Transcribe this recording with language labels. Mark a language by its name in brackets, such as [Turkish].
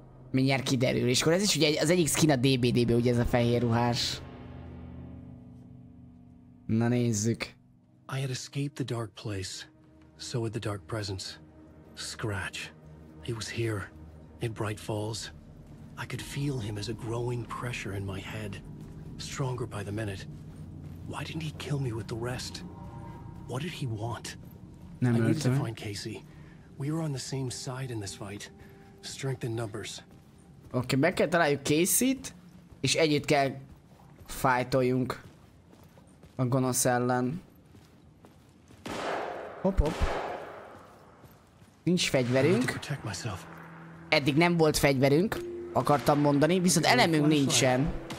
[Hungarian] Mindjárt kiderül, és akkor ez is ugye az egyik skin a DBD-ben, ugye ez a fehér ruhás. Na nézzük. [English] I had escaped the dark place. So had the dark presence. Scratch. He was here. In Bright Falls. I could feel him as a growing pressure in my head. Stronger by the minute. Why didn't he kill me with the rest? What did he want? [Hungarian] Nem [English] I needed to find Casey. We were on the same side in this fight. Strength in numbers. [Hungarian] Okay, meg kell találjuk Casey-t. És együtt kell fájtoljunk. A gonosz ellen. Hop-hop. Nincs fegyverünk. Eddig nem volt fegyverünk, akartam mondani, viszont elemünk nincsen.